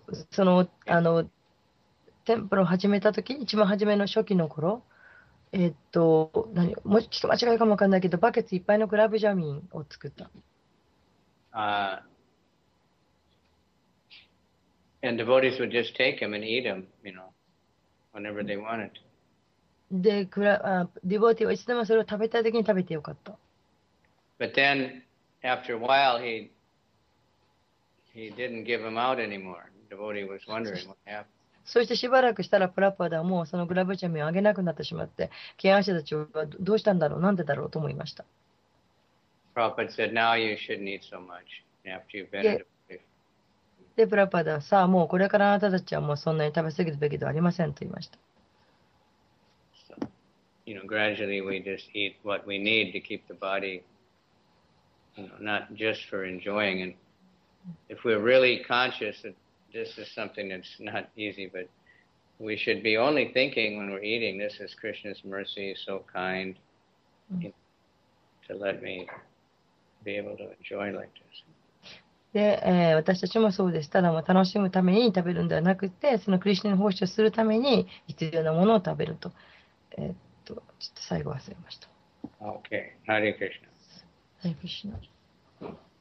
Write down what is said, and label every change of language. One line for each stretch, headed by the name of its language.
Japanese: その、テンプルを始めたとき、一番初めの初期の頃、何、もうちょっと間違いかもわかんないけど、バケツいっぱいのグラブジャミンを作った。
English: And devotees would just take them and eat them, you know, whenever they wanted.
Japanese: で、ディボーティーはいつでもそれを食べたいときに食べてよかった。
English: But then, after a while, he didn't give them out anymore. Devotee was wondering what happened.
Japanese: そしてしばらくしたらプラパダもそのグラブジャミンをあげなくなってしまって、ケアン者たちはどうしたんだろう、なんでだろうと思いました。
English: プラパダ said, now you shouldn't eat so much after you've been
Japanese: で、プラパダはさあもうこれからあなたたちはもうそんなに食べ過ぎるべきではありませんと言いました。
English: you know, gradually we just eat what we need to keep the body, you know, not just for enjoying. And if we're really conscious that this is something that's not easy, but we should be only thinking when we're eating, this is Krishna's mercy, so kind, you know, to let me be able to enjoy like this.
Japanese: で、私たちもそうです。ただ、楽しむために食べるんではなくて、そのクリシナに奉仕するために必要なものを食べると。ちょっと最後忘れました。
English: OK。 Hare Krishna。
Sanskrit: Hare Krishna。